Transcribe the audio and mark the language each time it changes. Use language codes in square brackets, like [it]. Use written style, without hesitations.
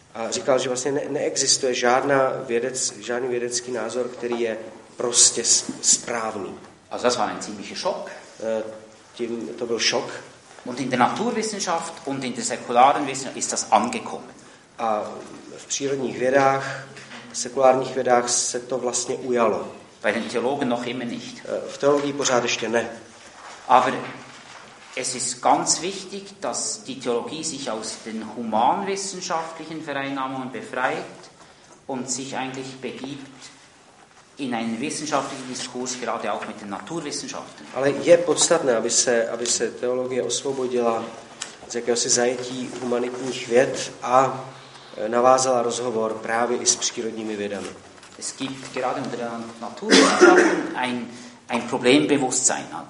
[cs] A říkal, že vlastně neexistuje žádný vědecký názor, který je prostě správný. [de] Also das war ein ziemlicher Schock. [cs] Tím to byl šok. [de] Und in der Naturwissenschaft und in der säkularen Wissenschaft ist das angekommen. [cs] A v přírodních vědách, sekulárních vědách se to vlastně ujalo. [de] Bei den Theologen noch immer nicht. [cs] V teologii pořád ještě ne. [de] Aber es ist ganz wichtig, dass die Theologie sich aus den humanwissenschaftlichen Vereinnahmungen befreit und sich eigentlich begibt in einen wissenschaftlichen Diskurs, gerade auch mit den Naturwissenschaften. [cs] Ale je podstatné, aby se teologie osvobodila z jakéhosi zajetí humanitních věd a navázala rozhovor právě i s přírodními vědami. [de] Es gibt gerade unter den Naturwissenschaften ein Problembewusstsein.